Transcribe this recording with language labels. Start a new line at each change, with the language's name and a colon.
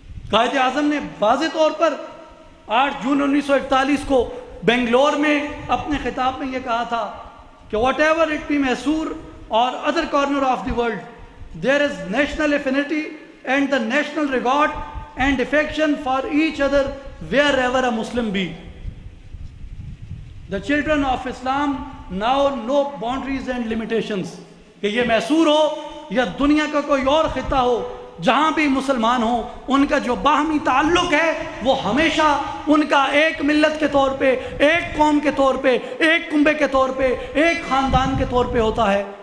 Urdu: قائد اعظم نے واضح طور پر 8 جون 1941 کو بنگلور میں اپنے خطاب میں یہ کہا تھا کہ
English: Whatever it be Mysore or other corner of the world, there is national affinity and the national regard and affection for each other wherever a Muslim be. The children of Islam now know boundaries and limitations.
Urdu: کہ یہ میسور ہو یا دنیا کا کوئی اور خطہ ہو, جہاں بھی مسلمان ہوں, ان کا جو باہمی تعلق ہے وہ ہمیشہ ان کا ایک ملت کے طور پہ, ایک قوم کے طور پہ, ایک کنبے کے طور پہ, ایک خاندان کے طور پہ ہوتا ہے.